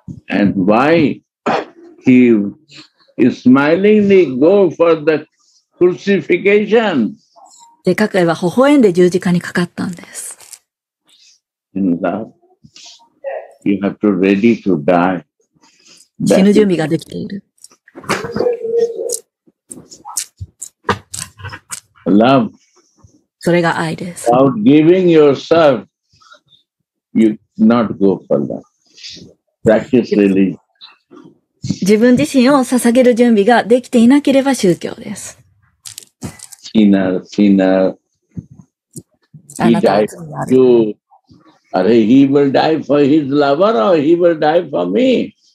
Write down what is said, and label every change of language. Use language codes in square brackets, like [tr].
[en] And why he is smilingly go for the crucifixion? [ja] で、かくいえば、微笑んで十字架にかかったんです。 [en] In love. You have to ready to die. [ja] 死ぬ準備ができている。 [en] Love. [ja] それが愛です。 [en] Without giving yourself, you not go for that. Practice religion. [ja] 自分自身を捧げる準備ができていなければ宗教です。 [en] Sinner. [ja] あなたは罪がある。 [en] Are he will die for his lover or he will die for me?